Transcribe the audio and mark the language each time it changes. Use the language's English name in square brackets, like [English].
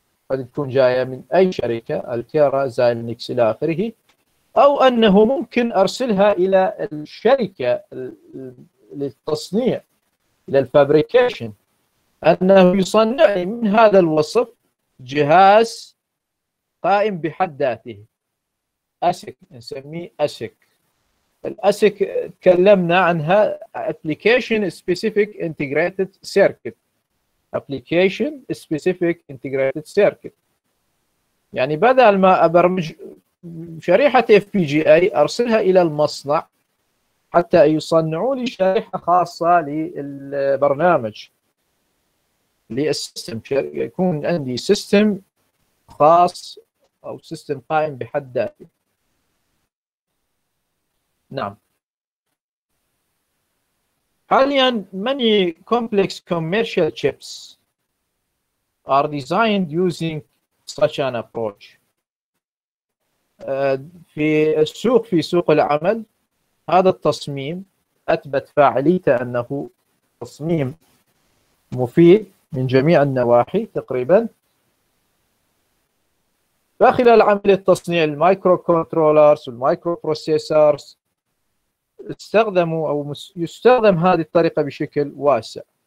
[Arabic] قد تكون جاية من أي شركة التيرا زاينكس إلى آخره أو أنه ممكن أرسلها إلى الشركة للتصنيع إلى الفابريكيشن أنه يصنع من هذا الوصف جهاز قائم بحد ذاته ASIC نسميه ASIC. الASIC تكلمنا عنها Application Specific Integrated Circuit. Application Specific Integrated Circuit يعني بدل ما أبرمج شريحة FPGA أرسلها إلى المصنع حتى يصنعوا لي شريحة خاصة للبرنامج للسيستم. يكون عندي سيستم خاص أو سيستم قائم بحد ذاته. [English] نعم حاليا many complex commercial chips are designed using such an approach. [Arabic] في السوق في سوق العمل هذا التصميم أثبت فاعليته أنه تصميم مفيد من جميع النواحي تقريبا. فخلال عمل التصنيع المايكرو كنترولرز والمايكرو بروسيسرز استخدموا أو يستخدم هذه الطريقة بشكل واسع.